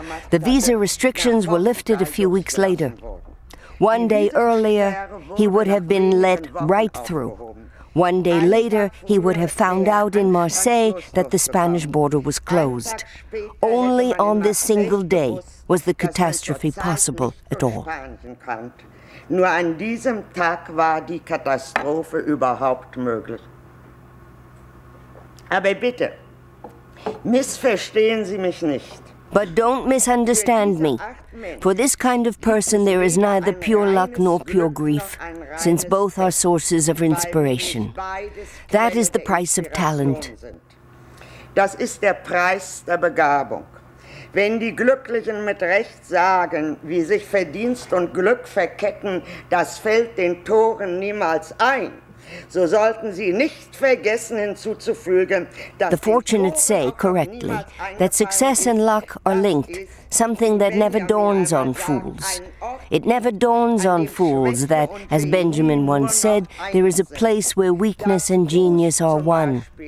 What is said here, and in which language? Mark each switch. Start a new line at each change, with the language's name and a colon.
English: The visa restrictions were lifted a few weeks later. One day earlier, he would have been let right through. One day later, he would have found out in Marseille that the Spanish border was closed. Only on this single day was the catastrophe possible at all.
German: Nur an diesem Tag war die Katastrophe überhaupt möglich. Aber bitte, missverstehen Sie mich nicht.
English: But don't misunderstand me. For this kind of person, there is neither pure luck nor pure grief, since both are sources of inspiration. That is the price of talent.
German: Das ist der Preis der Begabung. Wenn die Glücklichen mit Recht sagen, wie sich Verdienst und Glück verketten, das fällt den Toren niemals ein. so sollten Sie nicht vergessen hinzuzufügen, dass
English: the fortunate say correctly that success and luck are linked, something that never dawns on fools. It never dawns on fools that, as Benjamin once said, there is a place where weakness and genius are one.